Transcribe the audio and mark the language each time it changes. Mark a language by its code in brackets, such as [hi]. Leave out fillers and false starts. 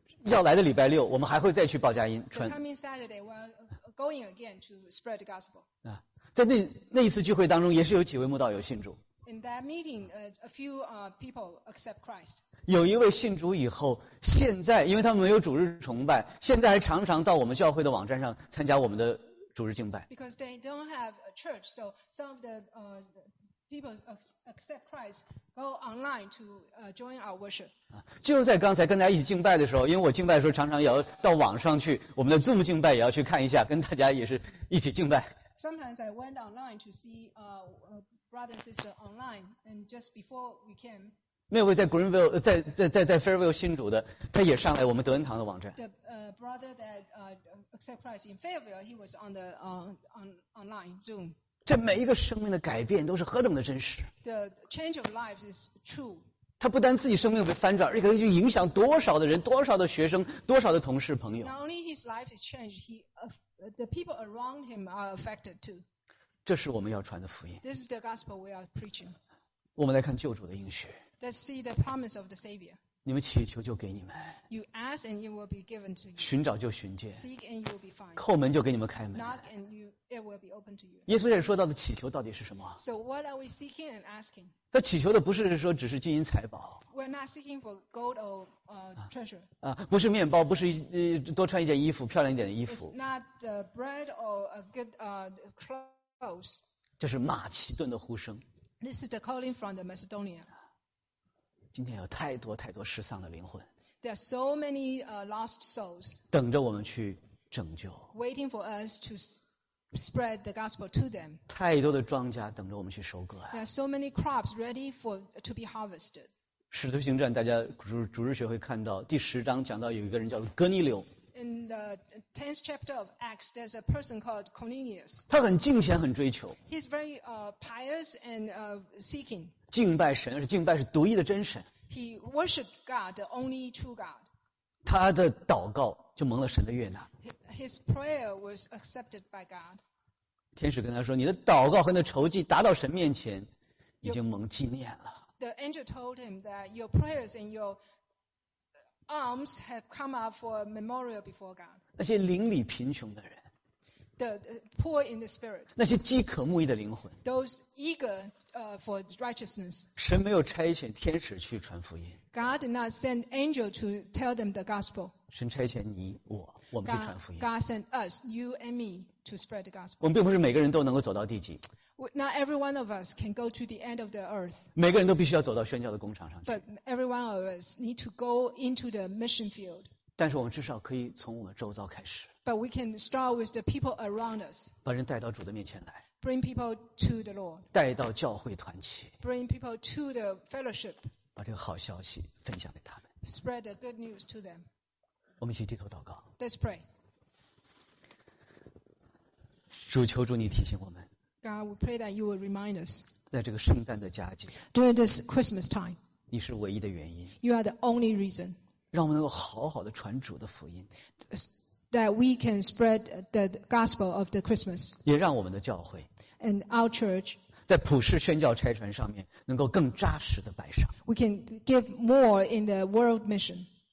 [zh] 要来的礼拜六，我们还会再去报佳音传。 [en] The coming Saturday, we're going again to spread the gospel. [zh] 在那一次聚会当中，也是有几位慕道友信主。 [en] In that meeting, a few people accept Christ. [zh] 有一位信主以后，现在因为他们没有主日崇拜，现在还常常到我们教会的网站上参加我们的主日敬拜。 [en] Because they don't have a church, so some of the people accept Christ go online to join our worship. [zh] 就在刚才跟大家一起敬拜的时候，因为我敬拜的时候常常要到网上去，我们的 Zoom 敬拜也要去看一下，跟大家也是一起敬拜。 [en] Sometimes I went online to see brother and sister online, and just before we came. [zh] 那位在 Greenville, 在 Fairville 新主的，他也上来我们德恩堂的网站。 [en] The brother that accept Christ in Fairville, he was on the online Zoom. [zh] 这每一个生命的改变都是何等的真实。 [en] The change of lives is true. [zh] 他不单自己生命被翻转，而且可以去影响多少的人、多少的学生、多少的同事朋友。 [en] Not only his life is changed, the people around him are affected too. [zh] 这是我们要传的福音。 [en] This is the gospel we are preaching. [zh] 我们来看救主的应许。 [en] Let's see the promise of the Savior. [zh] 你们祈求就给你们。 [en] You ask and it will be given to you. [zh] 寻找就寻见。 [en] Seek and you will be found. [zh] 叩门就给你们开门。 [en] Knock and you. It will be open to you. [zh] 耶稣也说到的祈求到底是什么？ [en] So what are we seeking and asking? [zh] 他祈求的不是说只是金银财宝。 [en] We're not seeking for gold or treasure. [zh] 不是面包，不是多穿一件衣服，漂亮一点的衣服。 [en] It's not the bread or a good clothes. [zh] 这是马其顿的呼声。 [en] This is the calling from the Macedonia. [zh] 今天有太多太多失丧的灵魂。 [en] There are so many lost souls. [zh] 等着我们去拯救。 [en] Waiting for us to. Spread the gospel to them. [zh] 太多的庄稼等着我们去收割。 [en] There are so many crops ready for to be harvested. [zh] 使徒行传大家主日学会看到第十章讲到有一个人叫哥尼流。 [en] In the 10th chapter of Acts, there's a person called Cornelius. [zh] 他很敬虔，很追求。 [en] He's very pious and seeking. [zh] 敬拜神，而敬拜是独一的真神。 [en] He worshipped God, the only true God. [zh] 他的祷告就蒙了神的悦纳。 [en] His prayer was accepted by God. [zh] 天使跟他说，你的祷告和那酬祭达到神面前，已经蒙纪念了。 [en] The angel told him that your prayers and your alms have come up for a memorial before God. [zh] 那些灵里贫穷的人。 [en] The poor in the spirit. [zh] 那些饥渴慕义的灵魂。 [en] Those eager for righteousness. [zh] 神没有差遣天使去传福音。 [en] God did not send angel to tell them the gospel. [zh] 神差遣你我。我们去传福音。 [en] God sent us, you and me, to spread the gospel. [zh] 我们并不是每个人都能够走到地极。 [en] Not every one of us can go to the end of the earth. [zh] 每个人都必须要走到宣教的工厂上去。 [en] But every one of us need to go into the mission field. [zh] 但是我们至少可以从我们周遭开始。 [en] But we can start with the people around us. [zh] 把人带到主的面前来。 [en] Bring people to the Lord. [zh] 带到教会团契。 [en] Bring people to the fellowship. [zh] 把这个好消息分享给他们。 [en] Spread the good news to them. [zh] 我们一起低头祷告。 [en] Let's pray. [zh] 主，求主你提醒我们。 [en] God, we pray that you will remind us. [zh] 在这个圣诞的佳节。 [en] During this Christmas time. [zh] 你是唯一的原因。 [en] You are the only reason. [zh] 让我们能够好好的传主的福音。 [en] That we can spread the gospel of the Christmas. [zh] 也让我们的教会。 [en] And our church. [zh] 在普世宣教差传上面能够更扎实的摆上。 [en] We can give more in the world mission.